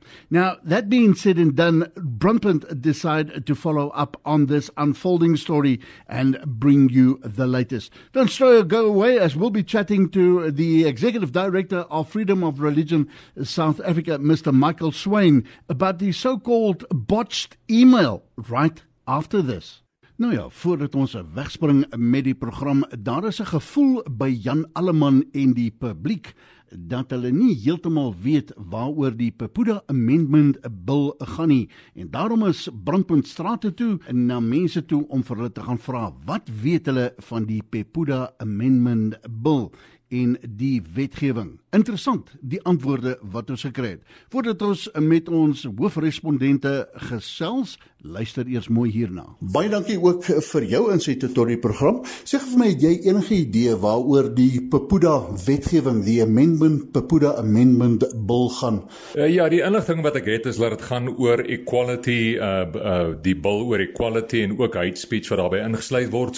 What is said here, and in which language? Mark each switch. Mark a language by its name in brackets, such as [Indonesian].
[English] Now, that being said and done, Brandpunt decided to follow up on this unfolding story and bring you the latest. Don't stray or go away, as we'll be chatting to the Executive Director of Freedom of Religion South Africa, Mr. Michael Swain, about the so-called botched email right after this. [Afrikaans] Nou ja, voordat ons wegspring met die program, daar is 'n gevoel by Jan Alleman en die publiek dat hulle nie heeltemal weet waaroor die Pepuda Amendment Bill gaan nie. En daarom is Brandpunt strate toe en na mense toe om vir hulle te gaan vra wat weet hulle van die Pepuda Amendment Bill en die wetgewing. Interessant die antwoorde wat ons gekry het. Voordat ons met ons hoofrespondente gesels, luister eers mooi hierna. Baie dankie ook vir jou insette tot die program. Sê vir my, het jy enige idee waaroor die Pepuda wetgewing, die Amendment Pepuda Amendment Bill gaan? Ja, die inligting wat ek het is dat het gaan oor equality, die bill oor equality en ook hate speech wat daarby ingesluit word.